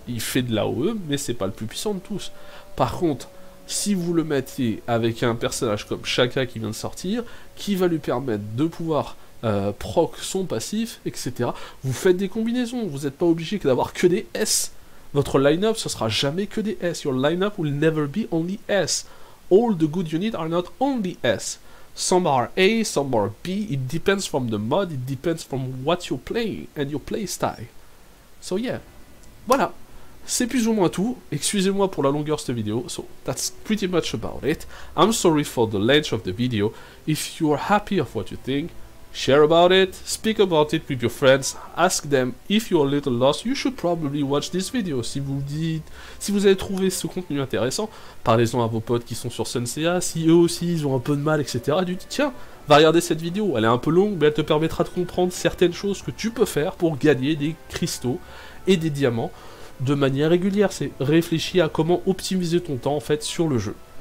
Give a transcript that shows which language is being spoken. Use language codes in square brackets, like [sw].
[fr] Il fait de l'AOE, mais c'est pas le plus puissant de tous. Par contre, si vous le mettez avec un personnage comme Shaka qui vient de sortir, qui va lui permettre de pouvoir proc son passif, etc. Vous faites des combinaisons, vous n'êtes pas obligé d'avoir que des S. Votre line-up, ce sera jamais que des S. [en] Your line-up will never be only S. All the good units are not only S. Some are A, some are B. It depends from the mod, it depends from what you're playing and your playstyle. So yeah, [fr] voilà. C'est plus ou moins tout, excusez-moi pour la longueur de cette vidéo, [en] so that's pretty much about it. I'm sorry for the length of the video. If you are happy of what you think, share about it, speak about it with your friends, ask them if you are a little lost, you should probably watch this video. [fr] Si vous dites, si vous avez trouvé ce contenu intéressant, parlez-en à vos potes qui sont sur Sensea, si eux aussi ils ont un peu de mal, etc. Dites, tiens, va regarder cette vidéo, elle est un peu longue, mais elle te permettra de comprendre certaines choses que tu peux faire pour gagner des cristaux et des diamants. De manière régulière, c'est réfléchir à comment optimiser ton temps en fait sur le jeu.